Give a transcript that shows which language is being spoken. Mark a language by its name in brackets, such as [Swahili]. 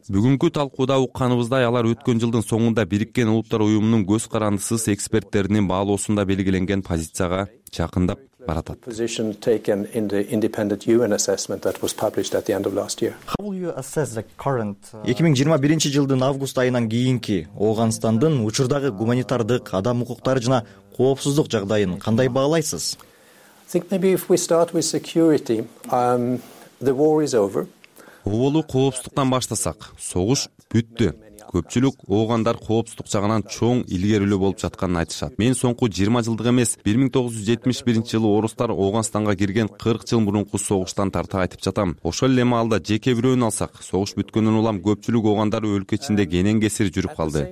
[Kyrgyz] Бүгүнкү талкууда укканыбыздай, алар өткөн жылдын соңунда Бириккен Улуттар Уюмунун көз карандысыз эксперттеринин баалоосунда белгиленген позицияга жакындап баратат. [English] How will you assess the current [Kyrgyz] 2021 жылдын август айынан кийинки Ооганстандын учурдагы гуманитардык, адам укуктары жана коопсуздук жагдайын кандай баалайсыз? [English] I think maybe if we start with security, the war is over. [Kyrgyz] Оолу коопсуздуктан баштасак, согуш бүттү. Көпчүлүк оогандар коопсуздук жагынан чоң илгерилүү болуп жатканын айтышат. Мен соңку 20 жылдык эмес, 1971 жылы орустар Ооганстанга кирген 40 жыл мурунку согуштан тарта айтып жатам. Ошол эле маалда жеке бирөөнү алсак, согуш бүткөндөн улам көпчүлүк оогандар өлкө ичинде кенен кесир жүрүп калды.